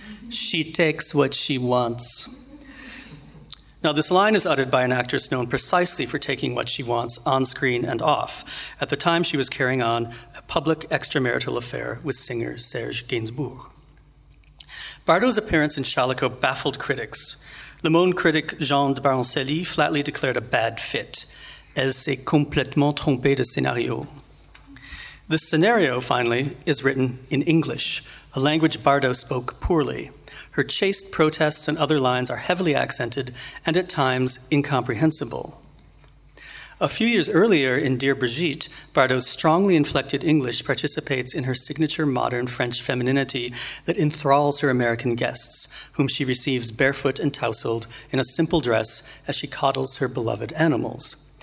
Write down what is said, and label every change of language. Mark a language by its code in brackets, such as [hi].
[en] She takes what she wants. Now, this line is uttered by an actress known precisely for taking what she wants on screen and off. At the time, she was carrying on a public extramarital affair with singer Serge Gainsbourg. Bardot's appearance in Shalico baffled critics. Le Monde critic Jean de Baroncelli flatly declared a bad fit. [fr] Elle s'est complètement trompée de scénario. [en] The scenario, finally, is written in English, a language Bardot spoke poorly. Her chaste protests and other lines are heavily accented and at times incomprehensible. A few years earlier in Dear Brigitte, Bardot's strongly inflected English participates in her signature modern French femininity that enthralls her American guests, whom she receives barefoot and tousled in a simple dress as she coddles her beloved animals.